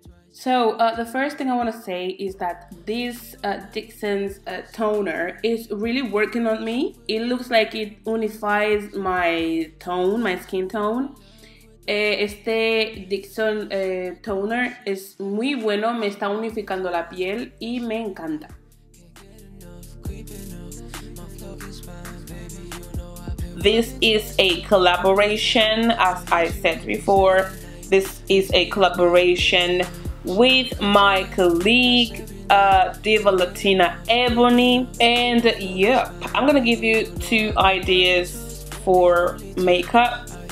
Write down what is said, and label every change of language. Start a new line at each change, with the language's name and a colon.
English: So the first thing I want to say is that this Dixon's toner is really working on me. It looks like it unifies my tone, my skin tone.
Spanish: Este Dixon toner es muy bueno, me está unificando la piel y me encanta.
English: This is a collaboration, as I said before. This is a collaboration with my colleague DivaLatinaEbany. And yeah, I'm gonna give you two ideas for makeup.